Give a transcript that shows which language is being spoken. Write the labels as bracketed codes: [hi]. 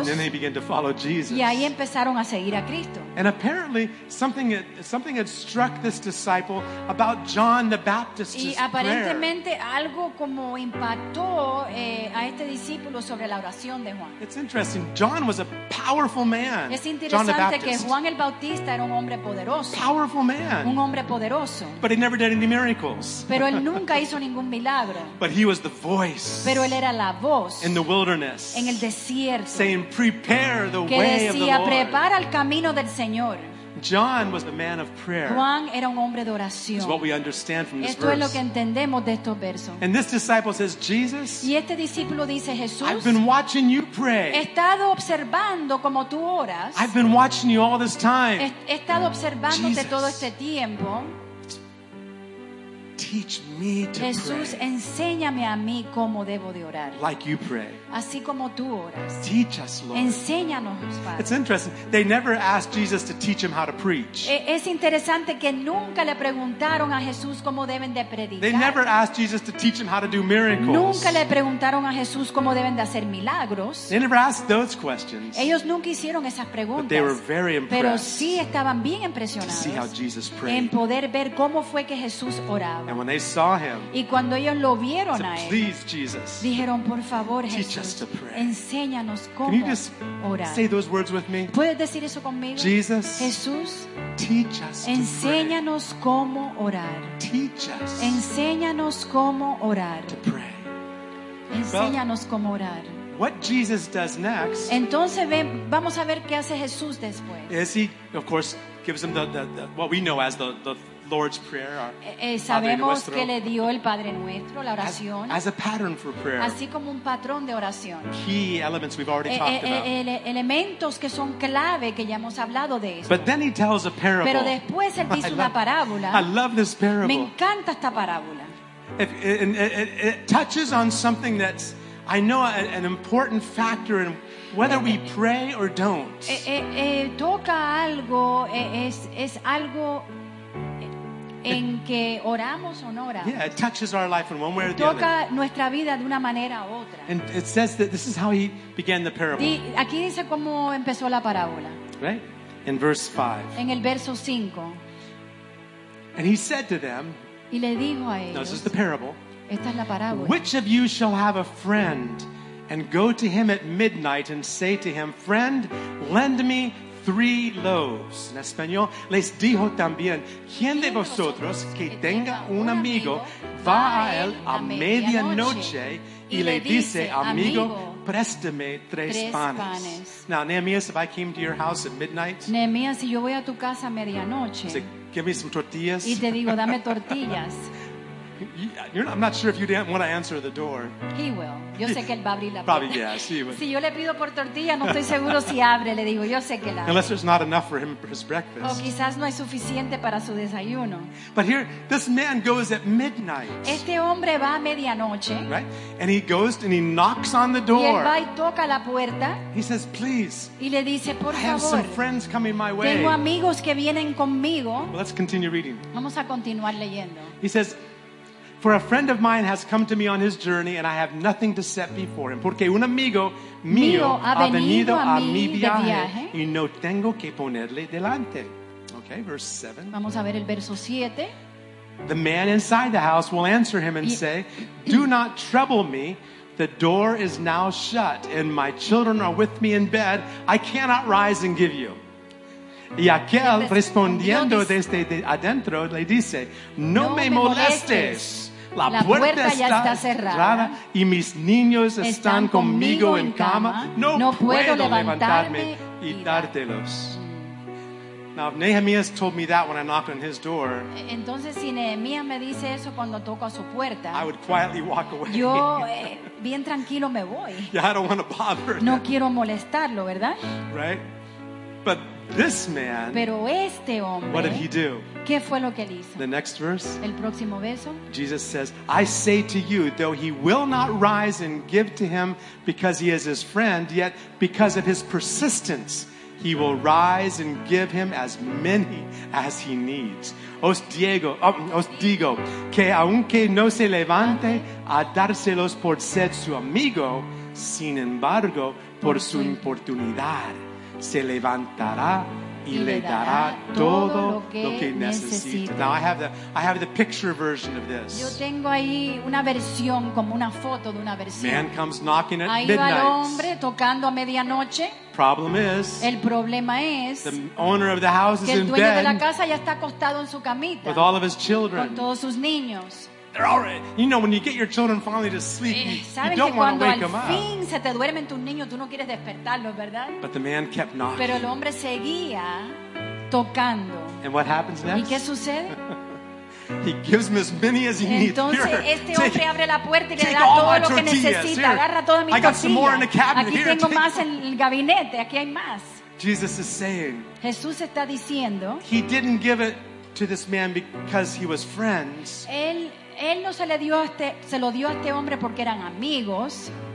[en] and then they began to follow Jesus, [es] y ahí empezaron a seguir a Cristo. [en] And apparently something had struck this disciple about John the Baptist's prayer, [es] y aparentemente algo como impactó a este discípulo sobre la oración de Juan. [en] It's interesting, John was a powerful man. [es] Es interesante que Juan el Bautista era un hombre poderoso, [en] powerful man, [es] un hombre poderoso, [en] but he never did any miracles. [es] Pero él nunca hizo ningún milagro. [en] But he was the voice. [es] Pero él era la voz. [en] In the wilderness. [es] En el desierto. [en] Saying, "Prepare the [es] que [en] way [es] decía, [en] of the Lord." [es] Que decía, prepara el camino del Señor. [en] John was the man of prayer. [es] Juan era un hombre de oración. [en] Is what we understand from this [es] esto [en] verse. [es] Es lo que entendemos de estos versos. [en] And this disciple says, "Jesus." [es] Y este discípulo dice, Jesús. [en] I've been watching you pray. [es] He estado observando como tú oras. [en] I've been watching you all this time. [es] He estado observándote todo este tiempo. [en] Teach me to [es] Jesús, [en] pray. [es] Enséñame a mí cómo debo de orar. [en] Like you pray. [es] Así como tú oras. [en] Teach us, Lord. [es] Enséñanos, Padre. [en] It's interesting. They never asked Jesus to teach him how to preach. [es] Es interesante que nunca le preguntaron a Jesús cómo deben de predicar. [en] They never asked Jesus to teach him how to do miracles. [es] Nunca le preguntaron a Jesús cómo deben de hacer milagros. [en] They never asked those questions. [es] Ellos nunca hicieron esas preguntas. [en] But they were very impressed. [es] Pero sí estaban bien impresionados. [en] To see how Jesus prayed. [es] En poder ver cómo fue que Jesús oraba. [en] And when they saw him, [es] y cuando ellos lo vieron [en] said, [es] a él, [en] please, Jesus, [es] dijeron, por favor, [en] teach [es] Jesús, [en] us to pray. [es] Enséñanos cómo [en] can you just [es] orar. [en] Say those words with me? [es] ¿Puedes decir eso conmigo? [en] Jesus, [es] Jesús, [en] teach us [es] enséñanos [en] to pray. [es] Cómo orar. [en] Teach us [es] enséñanos cómo orar. [en] To pray. [es] Enséñanos well, cómo orar. [en] What Jesus does next, [es] entonces vamos a ver qué hace Jesús después. [en] Is he, of course, gives them the what we know as the Lord's prayer. [es] Sabemos que le dio el Padre Nuestro la oración. [en] As a pattern for prayer. [es] Así como un patrón de oración. [en] Key elements we've already talked about. [es] Elementos que son clave que ya hemos hablado de esto. [en] But then he tells a parable. [es] Pero después él dice una parábola. [en] I love this parable. [es] Me encanta esta parábola. [en] It touches on something that's, I know, an important factor in whether we pray or don't. [es] Toca algo, es algo en que oramos o no oramos. [en] Yeah, it touches our life in one way or the [es] toca [en] other. [es] Toca nuestra vida de una manera u otra. [en] And it says that this is how he began the parable. [es] Aquí dice cómo empezó la parábola. [en] Right? In verse 5. [es] En el verso 5. [en] And he said to them. [es] Y le dijo a ellos. [en] No, this is the parable. [es] Esta es la parábola. [en] Which of you shall have a friend and go to him at midnight and say to him, friend, lend me 3 loaves. [es] En español, les dijo también, ¿quién de vosotros que tenga un amigo va a él a medianoche y le dice, amigo, préstame 3 panes? [en] Now, Nehemiah, if I came to your house at midnight, [es] Nehemiah, si yo voy a tu casa a medianoche, [en] say, give me some tortillas. [es] Y te digo, dame tortillas. [en] I'm not sure if you want to answer the door. He will. [es] Yo sé que él va a abrir la puerta. [en] Probably yes, he will. [es] Si yo le pido por tortilla, no estoy seguro si abre. Le digo, yo sé que la abre. [en] Unless there's not enough for him for his breakfast. [es] O quizás no hay suficiente para su desayuno. [en] But here, this man goes at midnight. [es] Este hombre va a medianoche. [en] Right? And he goes and he knocks on the door. [es] Y él va y toca la puerta. [en] He says, please. [es] Y le dice, por favor. [en] I have some friends coming my way. [es] Tengo amigos que vienen conmigo. [en] Well, let's continue reading. [es] Vamos a continuar leyendo. [en] He says, for a friend of mine has come to me on his journey and I have nothing to set before him. [es] Porque un amigo mío ha venido a mi viaje y no tengo que ponerle delante. [en] Okay, verse 7. [es] Vamos a ver el verso 7. [en] The man inside the house will answer him and say, do not trouble me. The door is now shut and my children are with me in bed. I cannot rise and give you. [es] Y aquel respondiendo desde adentro le dice, no me molestes, la puerta ya está cerrada y mis niños están conmigo en cama, no puedo levantarme y dártelos. [en] Now, if Nehemiah told me that when I knocked on his door, [es] entonces, si Nehemiah me dice eso cuando toco a su puerta, [en] I would quietly walk away. [es] Yo, bien tranquilo me voy. [en] Yeah, I don't want to bother. [es] No quiero molestarlo, ¿verdad? [en] Right? But this man, [es] pero este hombre, [en] what did he do? [es] ¿Qué fue lo que él hizo? [en] The next verse, [es] el próximo verso, [en] Jesus says, I say to you, though he will not rise and give to him because he is his friend, yet because of his persistence, he will rise and give him as many as he needs. [es] Os digo, que aunque no se levante a dárselos por ser su amigo, sin embargo, por su importunidad, se levantará y le dará todo lo que necesita. [en] Now I have the picture version of this. [es] Yo tengo ahí una versión, como una foto de una versión. [en] Man comes knocking at midnight. [es] Ahí va el hombre tocando a medianoche. [en] Problem is, [es] el problema es, [en] the owner of the house is in bed. [es] Que el dueño de la casa ya está acostado en su camita. [en] With all of his children. [es] Con todos sus niños. [en] They're already, you know, when you get your children finally to sleep, you don't want to wake them up. [es] Fin se te duermen tus niños, tú no quieres despertarlos, ¿verdad? [en] But the man kept knocking. [es] Pero el hombre seguía tocando. [en] And what happens next? [es] ¿Y qué sucede? [en] He gives him as many as he [es] entonces, [en] needs. [es] Entonces este hombre abre la puerta y le da todo lo que necesita. Agarra toda mi [en] tortilla. I got some more in the cabinet. [es] Aquí [en] here, [es] tengo más en el gabinete. Aquí hay más. [en] Jesus is saying. [es] Jesús está diciendo. [en] He didn't give it to this man because he was friends. [es] Él no se le dio a este, se lo dio a este hombre porque eran amigos,